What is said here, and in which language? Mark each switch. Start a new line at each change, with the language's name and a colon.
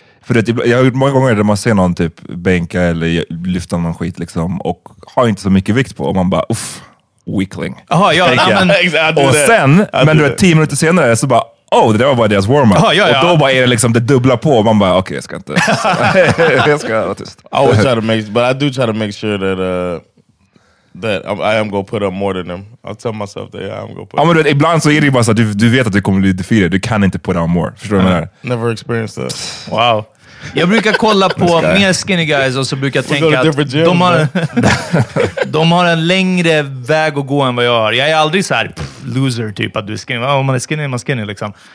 Swedish: För det, jag har gjort många gånger där man ser någon typ bänka eller lyfta någon skit liksom. Och har inte så mycket vikt på. Och man bara, uff.
English: Weakling.
Swedish: Aha, ja, men,
English: exactly.
Swedish: Och sen, men du är 10 minuter senare så bara, oh, det där var bara deras warm-up. Aha, ja. Och då bara är det liksom, det dubbla på. Och man bara, okej, jag ska inte. Jag ska vara tyst.
English: I always try to make, but I do try to make sure that that I am gonna put up more than them. I'll tell myself that yeah, I'm gonna put.
Swedish: Ja, men du vet, ibland så är det bara så att du vet att du kommer bli
English: defeated.
Swedish: Du kan inte
English: put up more.
Swedish: Förstår du vad jag menar?
English: Never experienced that. Wow.
Swedish: Jag brukar kolla på mer
English: skinny guys
Swedish: och så brukar jag tänka att gym, de har de har en längre väg att gå än vad jag har. Jag är aldrig så här loser typ att du är skinny. Om man är skinny, man är skinny liksom.